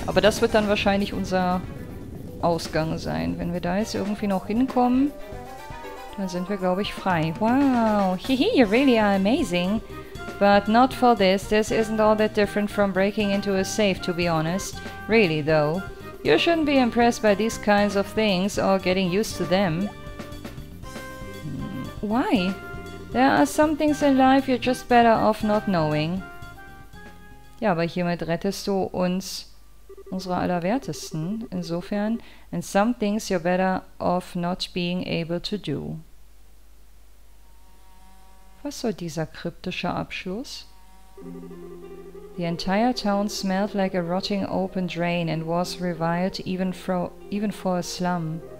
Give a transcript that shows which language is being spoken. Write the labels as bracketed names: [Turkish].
[German] Aber das wird dann wahrscheinlich unser Ausgang sein. Wenn wir da jetzt irgendwie noch hinkommen, dann sind wir, glaube ich, frei. [English] Wow. Hehe, you really are amazing. But not for this. This isn't all that different from breaking into a safe, to be honest. Really, though. You shouldn't be impressed by these kinds of things or getting used to them. Why? There are some things in life you're just better off not knowing. [German] Ja, aber hiermit rettest du uns, unsere Allerwertesten, insofern. [English] And some things you're better off not being able to do. [German] Was soll dieser kryptische Abschluss? [English] The entire town smelled like a rotting open drain and was reviled even for a slum.